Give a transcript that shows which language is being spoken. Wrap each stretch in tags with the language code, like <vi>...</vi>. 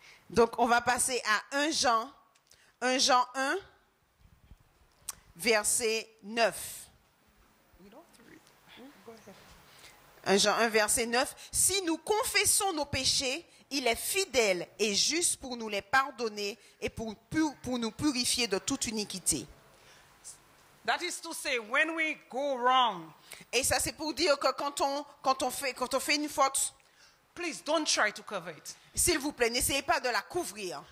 <fr>Donc, on va passer à 1 Jean 1, verset 9. 1 Jean 1, verset 9. Si nous confessons nos péchés, il est fidèle et juste pour nous les pardonner et pour nous purifier de toute iniquité.</fr> <en>That is to say, when we go wrong,</en> <fr>et ça, c'est pour dire que quand on fait une faute,</fr> <en>please don't try to cover it.</en> <fr>S'il vous plaît, n'essayez pas de la couvrir.</fr>